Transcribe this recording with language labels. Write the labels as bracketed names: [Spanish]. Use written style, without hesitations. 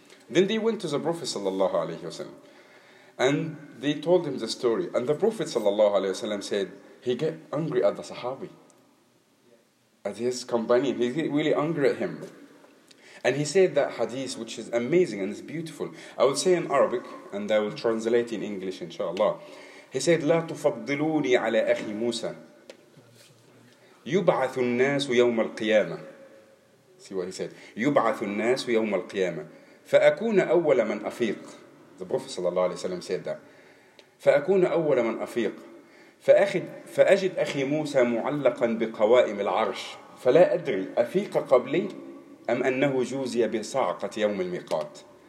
[English] Then they went to the Prophet sallallahu alayhi wa sallam. And they told him the story. And the Prophet sallallahu alayhi wa sallam said, he get angry at the Sahabi, at his companion. He get really angry at him. And he said that hadith, which is amazing and it's beautiful. I will say in Arabic, and I will translate in English, inshallah. He said, [Arabic] لا تفضلوني على أخي موسى. يبعث الناس يوم القيامة. [English] See what he said. [Arabic] يبعث الناس يوم القيامة. فأكون أول من أفيق. [English] The Prophet [Arabic] صلى الله عليه وسلم [English] said that. [Arabic] فأكون أول من أفيق. فأجد أخي موسى معلقا بقوائم العرش فلا أدري أفيق قبلي أم أنه جوزي بصاعقة يوم الميقات.